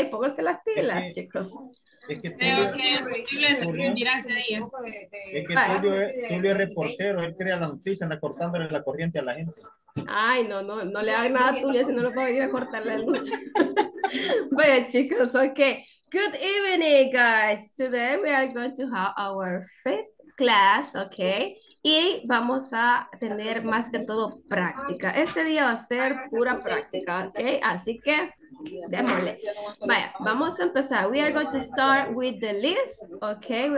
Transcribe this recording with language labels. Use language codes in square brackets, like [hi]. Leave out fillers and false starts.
[es] Pónganse las pilas, chicos. Es que Tulio es reportero, él crea la noticia, anda cortándole la corriente a la gente. Ay, no le hagan nada a Tulio si no lo puedo ir a cortar la luz. Bueno, chicos, [en] ok. Good evening, guys. Today we are going to have our fifth class, ok. [es] Y vamos a tener más que todo práctica. Este día va a ser pura práctica, ¿ok? Así que, démosle. Vaya, vamos a empezar. [en] We are going to start with the list, ¿ok?